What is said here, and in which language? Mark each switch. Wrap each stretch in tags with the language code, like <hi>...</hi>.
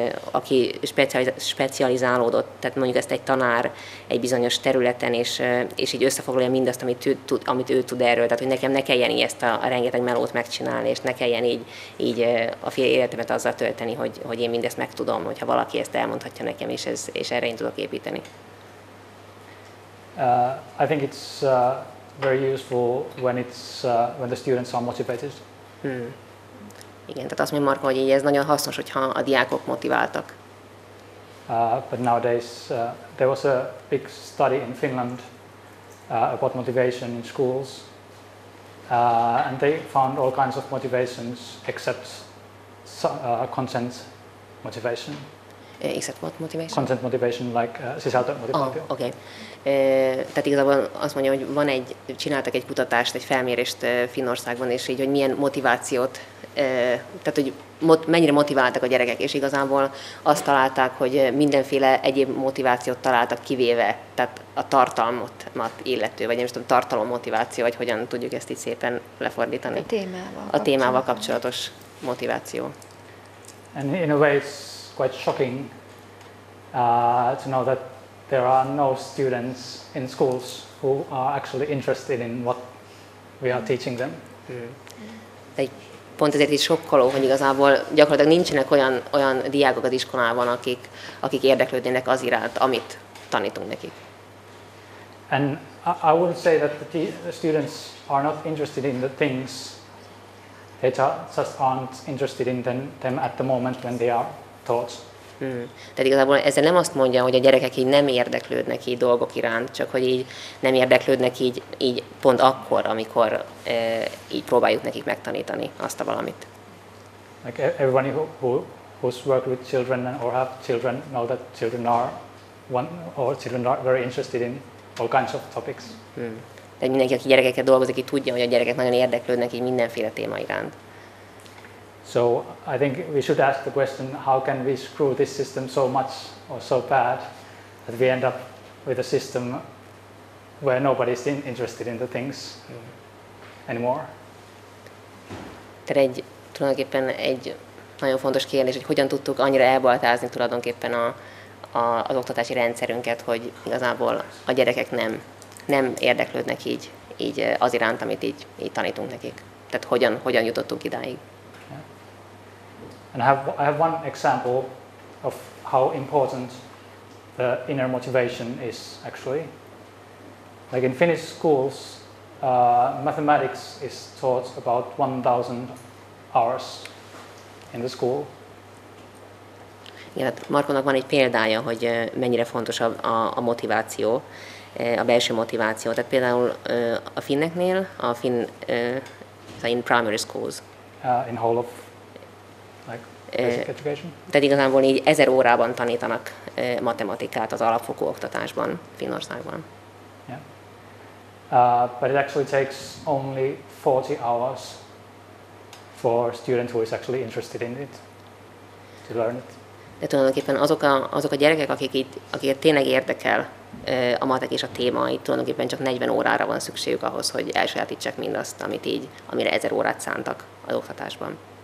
<hu>aki specializálódott, tehát mondjuk ezt egy tanár egy bizonyos területen, és így összefoglalja mindazt, amit ő tud erről, tehát hogy nekem ne kelljen így ezt a rengeteg melót megcsinálni, és ne kelljen így a fél életemet azzal tölteni, hogy én mindezt megtudom, hogyha valaki ezt elmondhatja nekem, és erre én tudok építeni.</hu> <en>I think it's very useful when it's when the students are motivated.</en> <hu>Igen, tehát azt mondja Marko, hogy így ez nagyon hasznos, hogyha a diákok motiváltak.</hu> <en>But nowadays there was a big study in Finland about motivation in schools, and they found all kinds of motivations except content motivation. Except what motivation? Content motivation, like sisältö motivation. Oh, okay.</en> <hu>Tehát igazából azt mondja, hogy van egy, csináltak egy kutatást, egy felmérést Finnországban, és így, hogy milyen motivációt, tehát hogy mennyire motiváltak a gyerekek, és igazából azt találták, hogy mindenféle egyéb motivációt találtak kivéve, tehát a tartalmat illető, vagy nem is tudom, tartalom motiváció, vagy hogyan tudjuk ezt így szépen lefordítani. A témával kapcsolatos motiváció.</hu> <en>And in a way it's quite shocking to know that there are no students in schools who are actually interested in what we are teaching them.</en> <hu>Pont ezért is sokkoló, hogy igazából gyakorlatilag nincsenek olyan diákok az iskolában, akik érdeklődnének az iránt, amit tanítunk nekik.</hu> <en>And I would say that the students are not interested in the things. They just aren't interested in them at the moment when they are taught.</en> <hu>Tehát igazából ezzel nem azt mondja, hogy a gyerekek így nem érdeklődnek így dolgok iránt, csak hogy így nem érdeklődnek így pont akkor, amikor így próbáljuk nekik megtanítani azt a valamit.</hu> <en>Like everyone who's worked with children or have children know that children are very interested in all kinds of topics.</en> <hu>Tehát mindenki, aki gyerekekkel dolgozik, így tudja, hogy a gyerekek nagyon érdeklődnek így mindenféle téma iránt.</hu> <en>So I think we should ask the question, how can we screw this system so much or so bad that we end up with a system where nobody's interested in the things anymore?</en> <hu>Tehát egy, tulajdonképpen egy nagyon fontos kérdés, hogy hogyan tudtuk annyira elbaltázni tulajdonképpen az oktatási rendszerünket, hogy igazából a gyerekek nem érdeklődnek így az iránt, amit így tanítunk nekik. Tehát hogyan jutottunk idáig.</hu> <en>And I have one example of how important the inner motivation is actually. Like in Finnish schools, mathematics is taught about 1,000 hours in the school.</en> <hu>Igen, Markonak van egy példája, hogy mennyire fontos a motiváció, a belső motiváció. Tehát például a finneknél, a finn</hu> <en>in primary schools. In whole of basic education.</en> <hu>Tehát igazából így 1000 órában tanítanak matematikát az alapfokú oktatásban Finnországban.</hu> <en>But it actually takes only 40 hours for a student who is actually interested in it to learn it.</en> <hu>De tulajdonképpen azok a gyerekek, akiket tényleg érdekel a matek és a téma, itt tulajdonképpen csak 40 órára van szükségük ahhoz, hogy elsajátítsák mindazt, amit így, amire 1000 órát szántak az oktatásban.</hu>